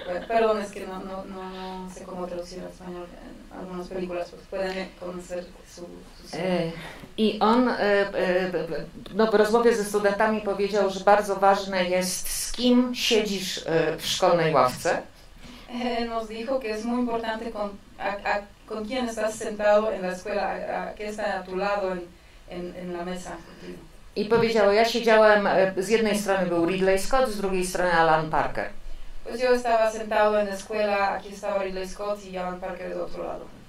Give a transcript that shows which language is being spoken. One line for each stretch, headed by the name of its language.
Spanish: Perdón, es que no sé cómo traducir al español algunas películas, pueden conocer su
Polish: I on w rozmowie ze studentami powiedział, że bardzo ważne jest, z kim siedzisz w szkolnej ławce.
Spanish: Nos dijo que es muy importante con quién estás sentado en la escuela, que está a tu lado en la mesa.
Polish: I powiedział, ja siedziałem, z jednej strony był Ridley Scott, z drugiej strony Alan Parker.
Spanish: Pues yo estaba sentado en la escuela, aquí estaba Ridley Scott y Alan Parker de otro lado.